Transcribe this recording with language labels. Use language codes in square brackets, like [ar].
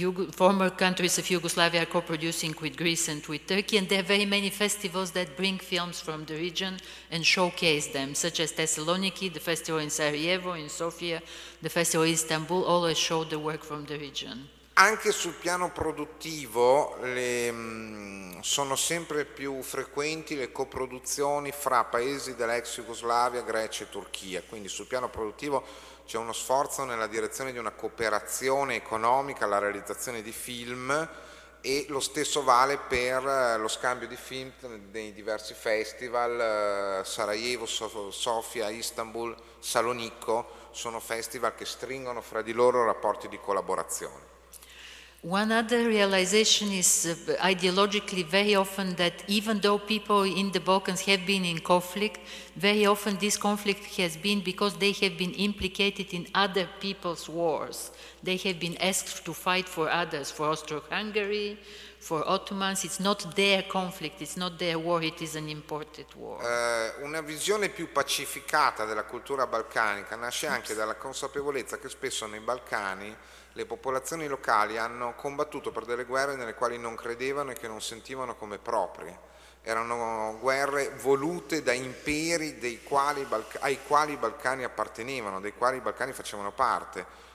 [en] Former countries of Yugoslavia are co-producing with Greece and with Turkey, and there are very many festivals that bring films from the region and showcase them, such as Thessaloniki, the festival in Sarajevo, in Sofia, the festival in Istanbul, always show the work from the region. [it] Anche sul piano produttivo sono sempre più frequenti le coproduzioni fra paesi dell'ex Jugoslavia, Grecia e Turchia, quindi sul piano produttivo c'è uno sforzo nella direzione di una cooperazione economica, la realizzazione di film, e lo stesso vale per lo scambio di film nei diversi festival, Sarajevo, Sofia, Istanbul, Salonicco, sono festival che stringono fra di loro rapporti di collaborazione. [en] One other realization is ideologically very often that even though people in the Balkans have been in conflict, very often this conflict has been because they have been implicated in other people's wars. They have been asked to fight for others, for Austro-Hungary, for Ottomans. It's not their conflict, it's not their war, it is an imported war. [it] Una visione più pacificata della cultura balcanica nasce anche dalla consapevolezza che spesso nei Balcani le popolazioni locali hanno combattuto per delle guerre nelle quali non credevano e che non sentivano come proprie. Erano guerre volute da imperi ai quali i Balcani appartenevano, dei quali i Balcani facevano parte.